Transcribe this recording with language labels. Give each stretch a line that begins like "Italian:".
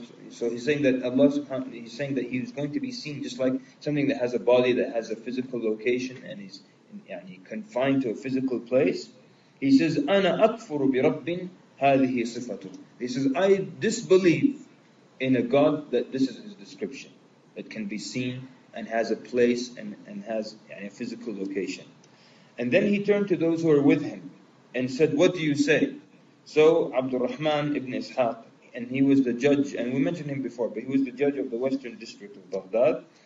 English: So he's saying that Allah subhanahu wa ta'ala, he's saying that he is going to be seen just like something that has a body, that has a physical location, and he's confined to a physical place.
Arabic: He says, أَنَا أَكْفُرُ بِرَبِّنْ هَذِهِ صِفَةٌ.
English: He says, I disbelieve in a God that this is his description, that can be seen and has a place and has a physical location. And then he turned to those who were with him and said, what do you say? So Abdurrahman ibn Ishaq, and he was the judge, and we mentioned him before, but he was the judge of the western district of Baghdad.